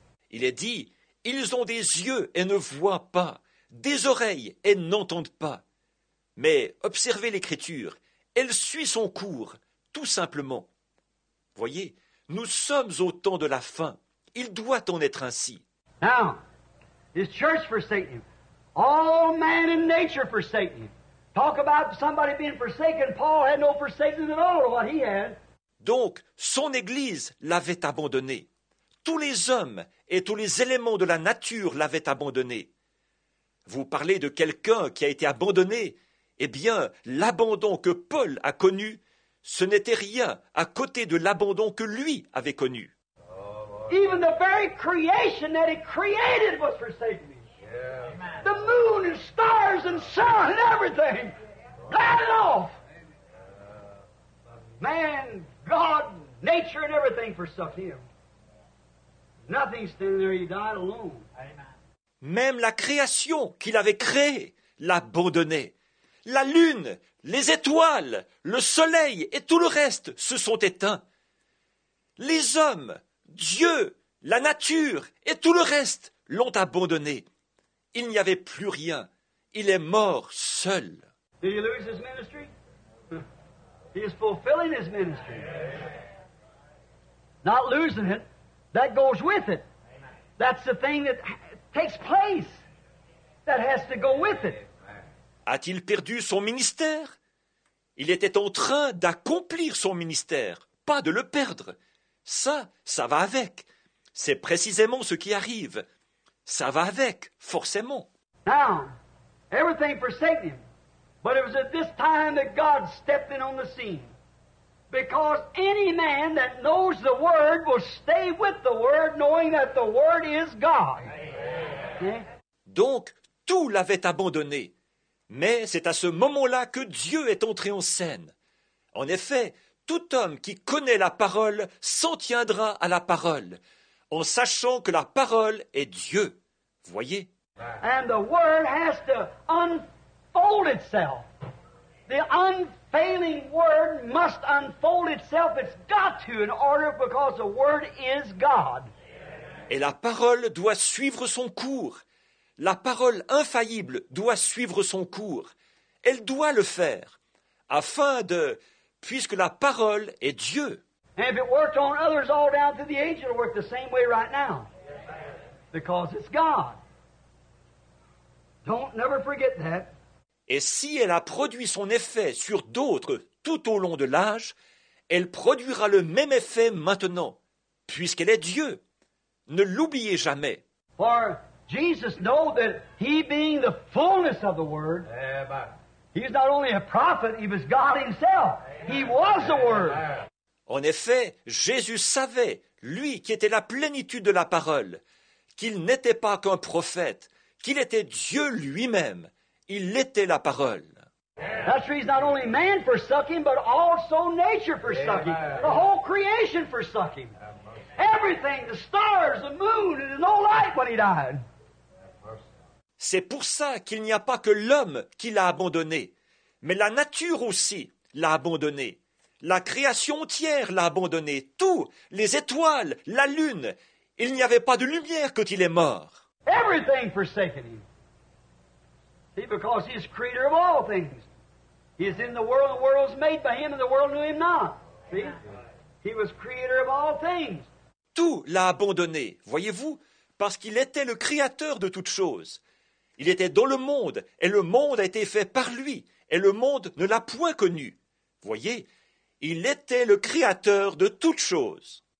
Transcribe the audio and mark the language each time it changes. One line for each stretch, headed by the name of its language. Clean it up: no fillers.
French: Il est dit, ils ont des yeux et ne voient pas, des oreilles et n'entendent pas. Mais observez l'Écriture, elle suit son cours, tout simplement. Voyez, nous sommes au temps de la fin. Il doit en être ainsi.
English: Now, his church forsaken him. All man and nature forsaken him. Talk about somebody being forsaken. Paul had no forsaken at all of what he had.
French: Donc, son église l'avait abandonné. Tous les hommes et tous les éléments de la nature l'avaient abandonné. Vous parlez de quelqu'un qui a été abandonné. Eh bien, l'abandon que Paul a connu, ce n'était rien à côté de l'abandon que lui avait connu.
English: Even the very creation that it created was forsaken me. Yeah. The moon and stars and sun and everything. Blasted off. Man, God, nature and everything forsook him. Nothing standing there, he died alone.
French: Même la création qu'il avait créée l'abandonnait. La lune, les étoiles, le soleil et tout le reste se sont éteints. Les hommes, Dieu, la nature et tout le reste l'ont abandonné. Il n'y avait plus rien. Il est mort seul.
English: Did he lose his ministry? He is fulfilling his ministry. Not losing it. That goes with it. That's the thing that takes place that has to go with it.
French: A-t-il perdu son ministère? Il était en train d'accomplir son ministère, pas de le perdre. Ça, ça va avec. C'est précisément ce qui arrive. Ça va avec, forcément.
English: Now, everything forsaken him. But it was at this time that God stepped in on the scene. Because any man that knows the Word will stay with the Word, knowing that the Word is God. Okay?
French: Donc, tout l'avait abandonné. Mais c'est à ce moment-là que Dieu est entré en scène. En effet, tout homme qui connaît la parole s'en tiendra à la parole, en sachant que la parole est Dieu. Voyez.
English: And the word has to unfold itself. The unfailing word must unfold itself. It's got to in order because the word is God.
French: Et la parole doit suivre son cours. La parole infaillible doit suivre son cours. Elle doit le faire, afin de, puisque la parole est Dieu.
English: And if it worked on others all down through the age, it'll work the same way right now. Because it's God. Don't never forget that.
French: Et si elle a produit son effet sur d'autres tout au long de l'âge, elle produira le même effet maintenant, puisqu'elle est Dieu. Ne l'oubliez jamais.
English: For Jesus knows that he being the fullness of the Word, he is not only a prophet, he was God himself. He was the Word.
French: En effet, Jésus savait, lui qui était la plénitude de la parole, qu'il n'était pas qu'un prophète, qu'il était Dieu lui-même. Il était la parole.
English: That's the reason not only man forsook him, but also nature forsook him. The whole creation forsook him. Everything, the stars, the moon, there's no light when he died.
French: C'est pour ça qu'il n'y a pas que l'homme qui l'a abandonné, mais la nature aussi l'a abandonné. La création entière l'a abandonné. Tout, les étoiles, la lune, il n'y avait pas de lumière quand il est mort.
English: Everything forsaken him. See, because he is creator of all things. He is in the world, the world was made by him, and the world knew him not. See? He was creator of all things.
French: Tout l'a abandonné, voyez-vous, parce qu'il était le créateur de toutes choses. Il était dans le monde, et le monde a été fait par lui, et le monde ne l'a point connu. Voyez, il était le créateur de toutes choses.